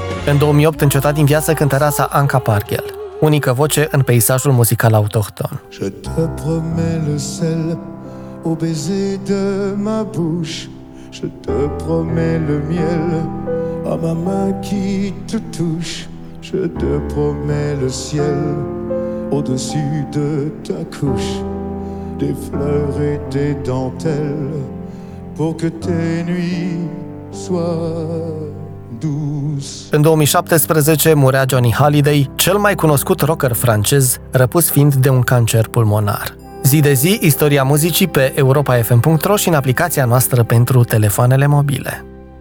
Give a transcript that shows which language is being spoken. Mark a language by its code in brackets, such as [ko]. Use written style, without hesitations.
[ro] În 2008 înceta din viață cântăreasa Anca Parghel, unică voce în peisajul muzical autohton. [fr] Je te promets le sel au baiser de ma bouche. Je te promets le miel à ma main qui te touche. Je te promets le ciel au-dessus de ta couche. Des fleurs et des dentelles pour que tes nuits soient. [ro] În 2017 murea Johnny Hallyday, cel mai cunoscut rocker francez, răpus fiind de un cancer pulmonar. Zi de zi, istoria muzicii pe europafm.ro și în aplicația noastră pentru telefoanele mobile.